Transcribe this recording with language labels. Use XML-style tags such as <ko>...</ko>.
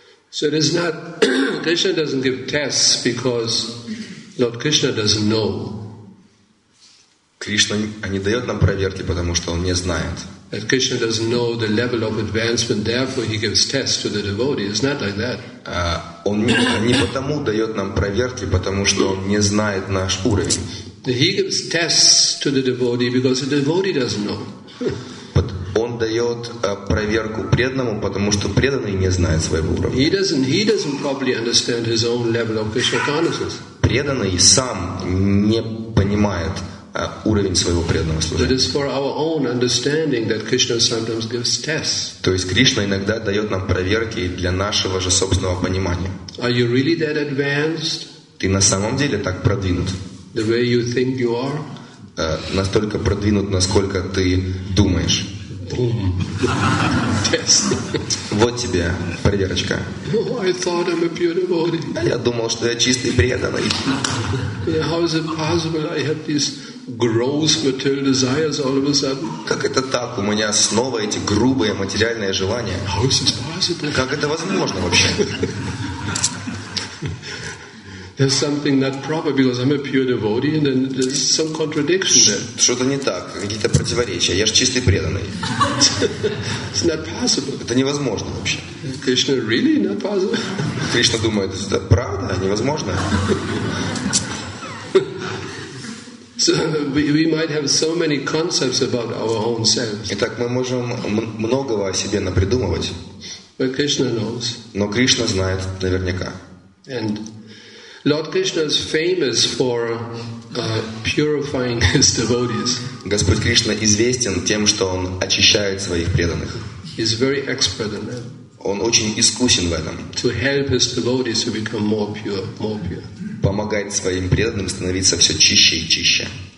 <en>So it is not Krishna doesn't give tests because Lord Krishna doesn't know.</en> <ru>Кришна не дает нам проверки, потому что он не знает.</ru> <en>That Krishna doesn't know the level of advancement, therefore he gives tests to the devotee. It's not like that.</en> <ru>Он не потому дает нам проверки, потому что он не знает наш уровень.</ru> <en>He gives tests to the devotee because the devotee doesn't know.</en> <ru>Он дает проверку преданному, потому что преданный не знает своего уровня.</ru> <en>He doesn't properly understand his own level of Krishna consciousness.</en> <ru>Преданный сам не понимает уровень своего преданного служения.</ru> <en>It is for our own understanding that Krishna sometimes gives tests.</en> <ru>То есть Кришна иногда дает нам проверки для нашего же собственного понимания.</ru> <en>Are you really that advanced?</en> <ru>Ты на самом деле так продвинут?</ru> <en>The way you think you are?</en> <ru>Настолько продвинут, насколько ты думаешь.</ru> <en>Test.</en> <ru>Вот тебе проверочка.</ru> <en>I thought I'm a pure devotee.</en> <ru>Я думал, что я чистый преданный.</ru> <en>How is it possible I have these gross material desires all of a sudden?</en> <ru>Как это так? У меня снова эти грубые материальные желания.</ru> <en>How is it possible?</en> <ru>Как это возможно вообще?</ru> <en>There's something not proper because I'm a pure devotee, and then there's some contradiction there.</en> <ru>Что-то не так, какие-то противоречия. Я же чистый преданный.</ru> <en>It's not possible.</en> <ru>Это невозможно вообще.</ru> <en>Krishna really not possible.</en> <ru>Кришна думает, это правда, невозможно.</ru> <en>So we might have so many concepts about our own selves.</en> <ru>Итак, мы можем многого о себе напридумывать.</ru> <en>But Krishna knows.</en> <ru>Но Кришна знает наверняка.</ru> <en>And Lord Krishna is famous for purifying his devotees.</en> <ru>Господь Кришна известен тем, что он очищает своих преданных.</ru> <en>He's very expert in that.</en> <ru>Он очень искусен в этом.</ru> <en>To help his devotees to become more pure.</en> <ru>помогает своим преданным становиться все чище и чище.</ru>